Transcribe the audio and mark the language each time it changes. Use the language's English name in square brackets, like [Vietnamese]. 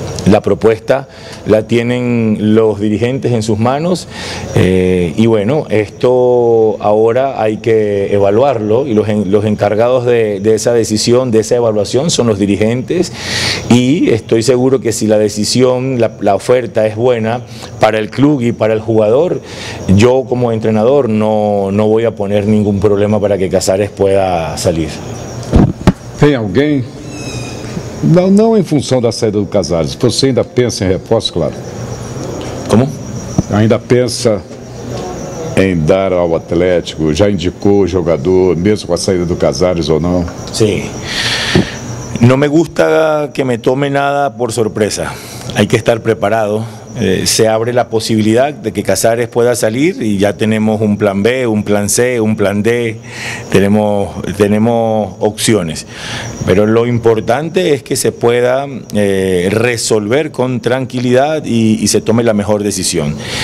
[Spanish] La propuesta la tienen los dirigentes en sus manos y bueno, esto ahora hay que evaluarlo y los encargados de esa decisión, de esa evaluación son los dirigentes y estoy seguro que si la decisión, la oferta es buena para el club y para el jugador, yo como entrenador no voy a poner ningún problema para que Casares pueda salir. ¿Hay alguien? [Portuguese] Não em função da saída do Casares. Você ainda pensa em reforço, claro. Como? Ainda pensa em dar ao Atlético? Já indicou o jogador, mesmo com a saída do Casares ou não? Sim. Não me gusta que me tome nada por surpresa. [Spanish] Hay que estar preparado. Se abre la posibilidad de que Casares pueda salir y ya tenemos un plan B, un plan C, un plan D, tenemos opciones. Pero lo importante es que se pueda resolver con tranquilidad y se tome la mejor decisión.